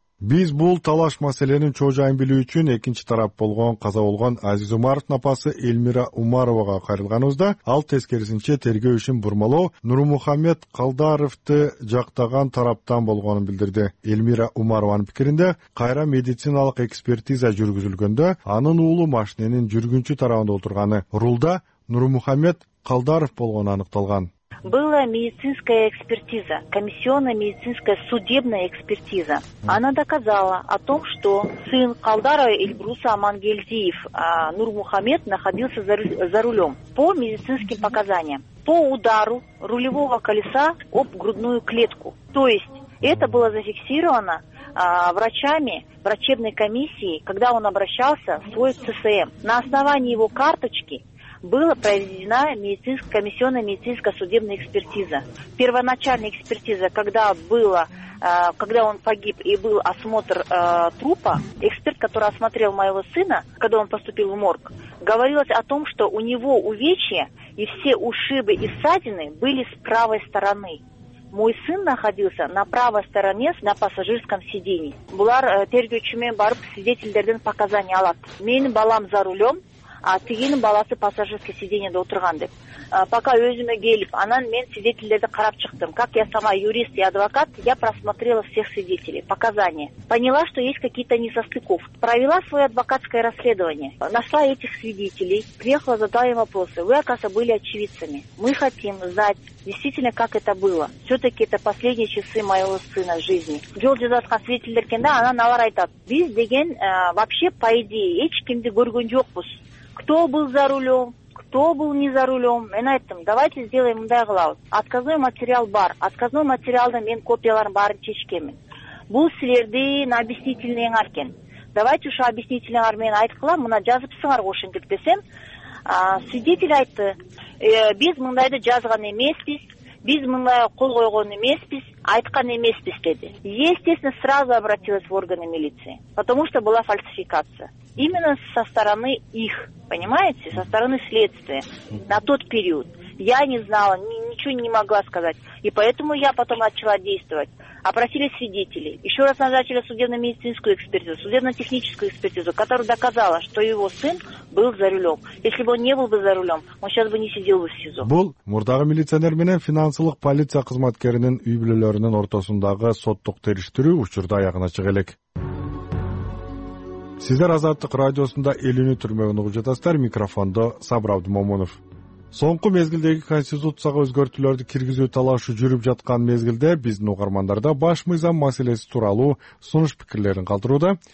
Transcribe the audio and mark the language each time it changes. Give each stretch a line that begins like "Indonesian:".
Kyrgyz: Биз бул талаш маселенин чоо жайын билүү үчүн экинчи тарап болгон, каза болгон Азиз Умаровдун апасы Элмира Умарова кайрылганыбызда, ал тескерисинче тергөө ишин бурмалоо Нурмухамед Калдаровду жактаган тараптан болгонун билдирди. Элмира Умарованын пикиринде, кайра медициналык экспертиза жүргүзүлгөндө анын уулу машиненин жүргүнчү тарабында отурганы, рулда Нурмухамед Калдаров болгону аныкталган.
Russian: Была медицинская экспертиза, комиссионно-медицинская судебная экспертиза. Она доказала о том, что сын Калдарова Эльбруса Амангельдиев, Нурмухамед, находился за рулем по медицинским показаниям, по удару рулевого колеса об грудную клетку. То есть это было зафиксировано врачами врачебной комиссии, когда он обращался в свой ЦСМ. На основании его карточки была проведена комиссионная медицинская судебная экспертиза. Первоначальная экспертиза, когда он погиб и был осмотр трупа, эксперт, который осмотрел моего сына, когда он поступил в морг, говорилось о том, что у него увечья и все ушибы и ссадины были с правой стороны. Мой сын находился на правой стороне на пассажирском сиденье.
Kyrgyz: Булар тергөөчү менен барып свидетелдерден показания алат. Менин балам
Russian: за рулем, а
Kyrgyz: тигинин баласы пассажирский сиденьеде отурган деп.
Russian: Пока
Kyrgyz: өзүмө келип, анан мен свидетелдерди карап чыктым.
Russian: Как я сама юрист и адвокат, я просмотрела всех свидетелей, показания. Поняла, что есть какие-то несостыковки. Провела свое адвокатское расследование. Нашла этих свидетелей, приехала, задала им вопросы. Вы, оказывается, были очевидцами. Мы хотим знать, действительно, как это было. Все-таки это последние часы моего сына жизни. Джолдизатка свидетелькинда, она наларайтат.
Kyrgyz: Биз деген,
Russian: вообще, по идее,
Kyrgyz: эч кимди көргөн жокпуз.
Russian: Кто был за рулем, кто был не за рулем.
Kyrgyz: Мен айттым,
Russian: давайте сделаем
Kyrgyz: мындай кылабыз. Отказной материал бар. Отказной материалдан мен копияларын барын чечкенмин. Бул силерди на объяснительныйң аркен. Давайте ушу объяснительныйлар менен айткылам, мына жазыпсыңар ошентип десем, свидетель айтты, биз мындайды жазган эмеспиз. Биз мындай кол койгон эмеспиз, айткан эмеспиз деди.
Russian: Естественно, сразу обратилась в органы милиции, потому что была фальсификация. Именно со стороны их, понимаете, со стороны следствия на тот период. Я не знала, ничего не могла сказать. И поэтому я потом начала действовать. Опросили свидетелей. Еще раз назначили судебно-медицинскую экспертизу, судебно-техническую экспертизу, которая доказала, что его сын был за рулем. Если бы он не был бы за рулем, он сейчас бы не сидел бы в СИЗО.
Kyrgyz: Бул мурдагы милиционер менен финансылык полиция кызматкеринин үй-бүлөлөрүнүн ортосундагы соттук териштирүү учурда аягына чыга элек. Сиздер Азаттык радиосунда элини түрмөгүн угуп жатасыздар. Микрофондо Сабыр Абдымомунов. Соңку мезгилдеги конституцияга өзгөртүүлөрдү киргизүү талашы жүрүп жаткан мезгилде биздин угармандарда баш мыйзам маселеси тууралуу сунуш пикирлерин калтырууда.